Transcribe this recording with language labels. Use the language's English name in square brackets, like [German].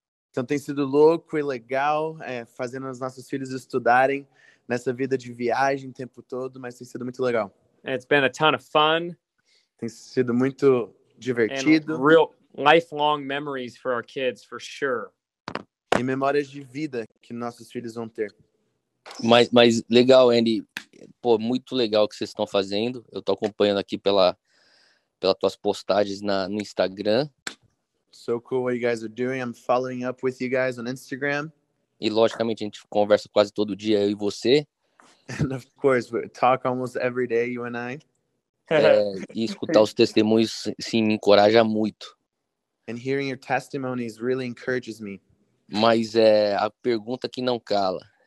[Portuguese] Então tem sido louco e legal fazendo os nossos filhos estudarem nessa vida de viagem o tempo todo, mas tem sido muito legal. [English] It's been a ton of fun. [Portuguese] Tem sido muito divertido. [English] And real lifelong memories for our kids, for sure. [Portuguese] E memórias de vida que nossos filhos vão ter. Mas legal, Andy. Pô, muito legal o que vocês estão fazendo. Eu tô acompanhando aqui pelas tuas postagens no Instagram. [English] So cool what you guys are doing. I'm following up with you guys on Instagram. [Portuguese] E logicamente a gente conversa quase todo dia, eu e você. [English] And of course, we talk almost every day, you and I. [Portuguese] E escutar os testemunhos, sim, me encoraja muito. [English] And hearing your testimonies really encourages me. [Portuguese] Mas é a pergunta que não cala.